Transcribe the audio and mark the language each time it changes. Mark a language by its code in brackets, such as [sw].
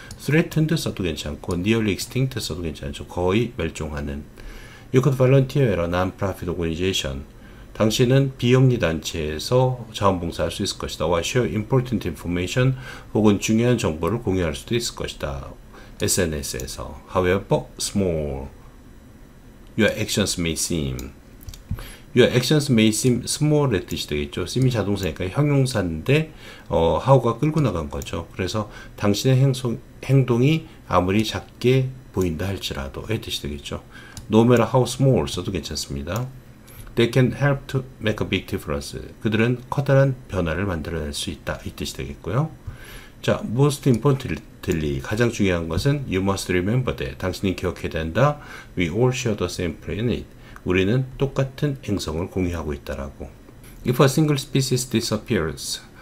[en] threatened [ko] 써도 괜찮고 [en] nearly extinct [ko] 써도 괜찮죠. 거의 멸종하는 [en] you could volunteer a non-profit organization [ko] 당신은 비영리 단체에서 자원봉사할 수 있을 것이다 [en] or share important information [ko] 혹은 중요한 정보를 공유할 수도 있을 것이다 [en] SNS에서 however small your actions may seem your actions may seem small의 뜻이 되겠죠. [ko] seem이 자동사니까 형용사인데 how가 끌고 나간 거죠. 그래서 당신의 행동이 아무리 작게 보인다 할지라도의 뜻이 되겠죠. no matter how small 써도 괜찮습니다. [en] they can help to make a big difference. [ko] 그들은 커다란 변화를 만들어낼 수 있다. 이 뜻이 되겠고요. 자, most importantly, 가장 중요한 것은 [en] you must remember that. [ko] 당신이 기억해야 된다. [en] we all share the same planet. [ko] 우리는 똑같은 행성을 공유하고 있다라고. [en] If a single species disappears,